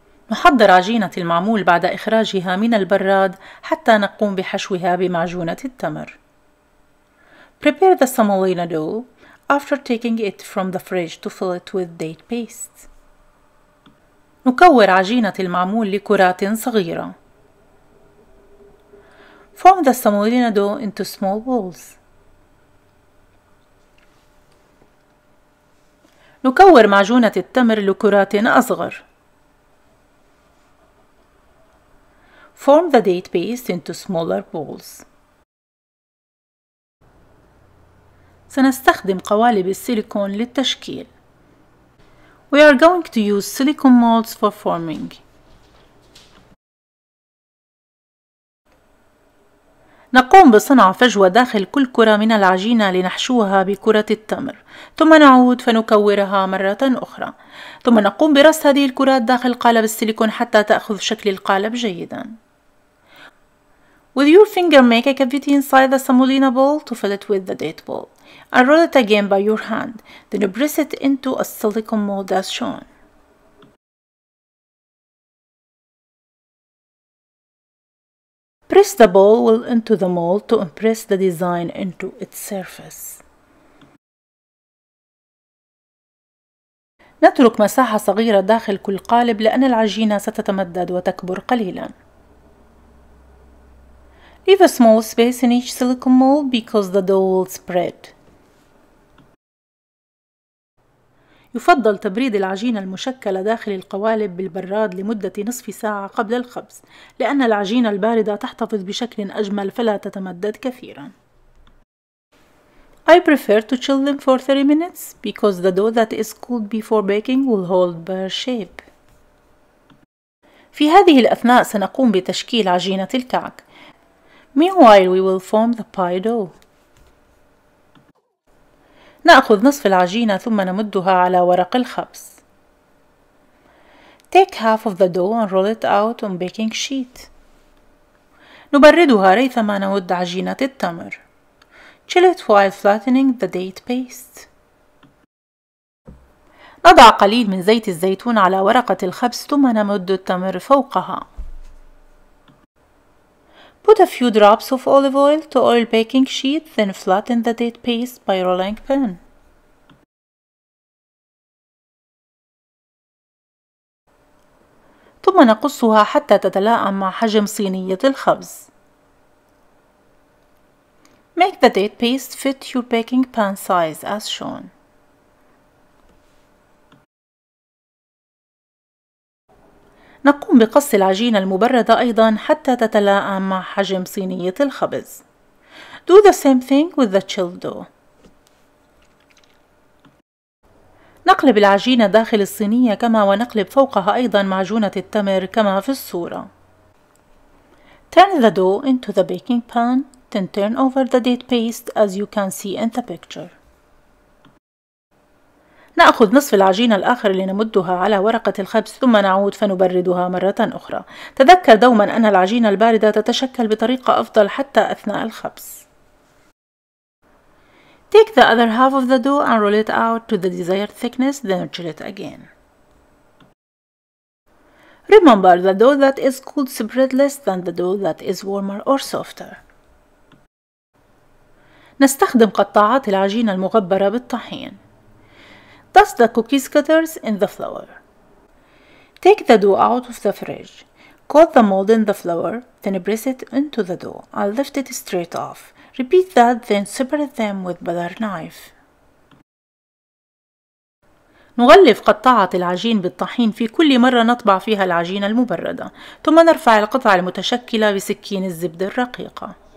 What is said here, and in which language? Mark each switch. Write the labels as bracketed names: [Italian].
[Arabic] نحضر عجينة المعمول بعد إخراجها من البراد حتى نقوم بحشوها بمعجونة التمر. [English] Prepare the semolina dough after taking it from the fridge to fill it with date paste. [Arabic] نكور عجينة المعمول لكرات صغيرة. [English] Form the semolina dough into small balls. [Arabic] نكور معجونة التمر لكرات أصغر. [English] Form the date paste into smaller balls. [Arabic] سنستخدم قوالب السيليكون للتشكيل. [English] We are going to use silicone molds for forming. [Arabic] نقوم بصنع فجوة داخل كل كرة من العجينة لنحشوها بكرة التمر، ثم نعود فنكورها مرة أخرى، ثم نقوم برص هذه الكرات داخل قالب السيليكون حتى تأخذ شكل القالب جيداً. [English] With your finger, make a cavity inside the semolina ball to fill it with the date ball, and roll it again by your hand. Then press it into a silicone mold as shown. Press the ball into the mold to impress the design into its surface. [Arabic] نترك مساحة صغيرة داخل كل قالب لأن العجينة ستتمدد وتكبر قليلاً. [English] Leave a small space in each silicone mold because the dough will spread. [Arabic] يفضل تبريد العجينة المشكلة داخل القوالب بالبراد لمدة نصف ساعة قبل الخبز لأن العجينة الباردة تحتفظ بشكل أجمل فلا تتمدد كثيرا. [English] I prefer to chill them for 30 minutes because the dough that is cooled before baking will hold better shape. [Arabic] في هذه الأثناء سنقوم بتشكيل عجينة الكعك. [English] Meanwhile, we will form the pie dough. [Arabic] نأخذ نصف العجينة ثم نمدها على ورق الخبز. [English] Take half of the dough and roll it out on baking sheet. [Arabic] نبردها ريثما نمد عجينة التمر. [English] Chill it while flattening the date paste. [Arabic] نضع قليل من زيت الزيتون على ورقة الخبز ثم نمد التمر فوقها. [English] Put a few drops of olive oil to oil baking sheet, then flatten the date paste by rolling pin. [Arabic] ثم نقصها حتى تتلائم مع حجم صينية الخبز. [English] Make the date paste fit your baking pan size as shown. [Arabic] نقوم بقص العجينة المبردة أيضاً حتى تتلائم مع حجم صينية الخبز. [English] Do the same thing with the chilled dough. [Arabic] نقلب العجينة داخل الصينية كما ونقلب فوقها أيضاً معجونة التمر كما في الصورة. [English] Turn the dough into the baking pan, then turn over the date paste as you can see in the picture. [Arabic] نأخذ نصف العجينة الآخر لنمدها على ورقة الخبز ثم نعود فنبردها مرة أخرى. تذكر دوما أن العجينة الباردة تتشكل بطريقة أفضل حتى أثناء الخبز. [English] Take the other half of the dough and roll it out to the desired thickness, then chill it again. Remember, the dough that is cooled spreads less than the dough that is warmer or softer. [Arabic] نستخدم قطاعات العجينة المغبرة بالطحين. [English] Dust the cookie cutters in the flour. Take the dough out of the fridge. Coat the mold in the flour, then press it into the dough and lift it straight off. Repeat that, then separate them with butter knife. [Arabic] نغلف قطاعة العجين بالطحين في كل مرة نطبع فيها العجينة المبردة، ثم نرفع القطع المتشكلة بسكين الزبدة الرقيقة.